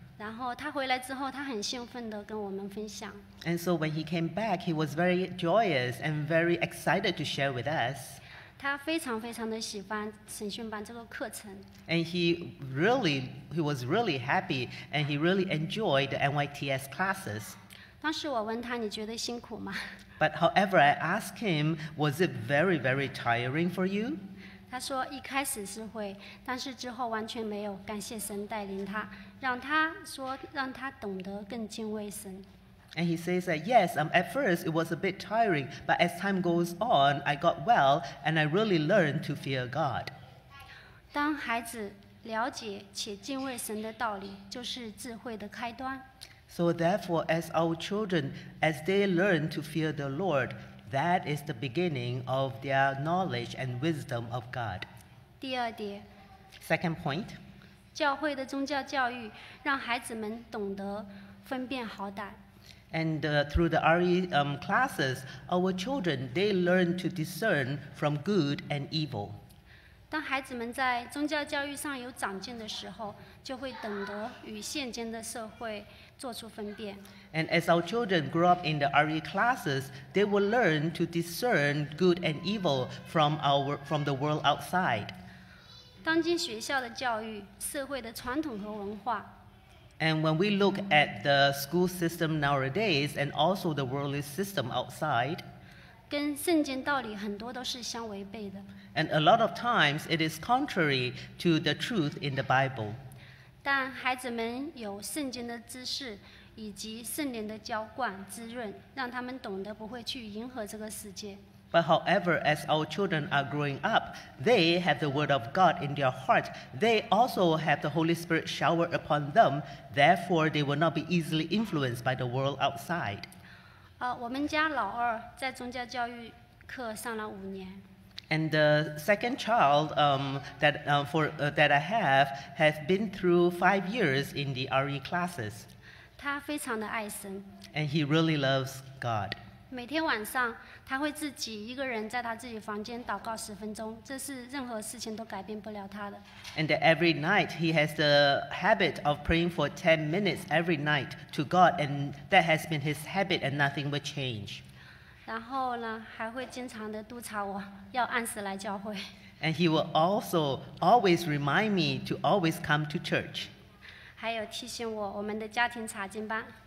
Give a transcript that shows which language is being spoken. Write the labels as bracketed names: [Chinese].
[Chinese] 然后他回来之后，他很兴奋地跟我们分享。 [English] And so when he came back, he was very joyous and very excited to share with us. [Chinese] 他非常非常的喜欢神训班这个课程。 [English] And he was really happy, and he really enjoyed the NYTS classes. [Chinese] 当时我问他，你觉得辛苦吗？ [English] But however, I asked him, was it very, very tiring for you? [Chinese] 他说一开始是会，但是之后完全没有。感谢神带领他，让他懂得更敬畏神。 [English] And he says that, yes, at first it was a bit tiring, but as time goes on, I got well, and I really learned to fear God. [Chinese] 当孩子了解且敬畏神的道理，就是智慧的开端。 [English] So therefore, as our children, as they learn to fear the Lord, that is the beginning of their knowledge and wisdom of God. [Chinese] 第二点。 [English] Second point. [Chinese] 教会的宗教教育让孩子们懂得分辨好歹。 [English] And through the RE classes, our children, they learn to discern from good and evil. [Chinese] 当孩子们在宗教教育上有长进的时候，就会懂得与现今的社会做出分辨。 [English] And as our children grow up in the RE classes, they will learn to discern good and evil from the world outside. [Chinese] 当今学校的教育、社会的传统和文化。 [English] And when we look at the school system nowadays, and also the worldly system outside, [Chinese] 跟圣经道理很多都是相违背的。 [English] And a lot of times, it is contrary to the truth in the Bible. [Chinese] 但孩子们有圣经的知识，以及圣灵的浇灌滋润，让他们懂得不会去迎合这个世界。 [English] But however, as our children are growing up, they have the word of God in their heart. They also have the Holy Spirit showered upon them. Therefore, they will not be easily influenced by the world outside. [Chinese] 我们家老二在宗教教育课上了五年。 [English] And the second child that I have has been through 5 years in the RE classes. [Chinese] 他非常的爱神。 [English] And he really loves God. [Chinese] 每天晚上，他会自己一个人在他自己房间祷告十分钟，这是任何事情都改变不了他的。 [English] And every night he has the habit of praying for 10 minutes every night to God, and that has been his habit, and nothing will change. [Chinese] 然后呢，还会经常的督察我要按时来教会。 [English] And he will also always remind me to always come to church. [Chinese] 还有提醒我我们的家庭查经班。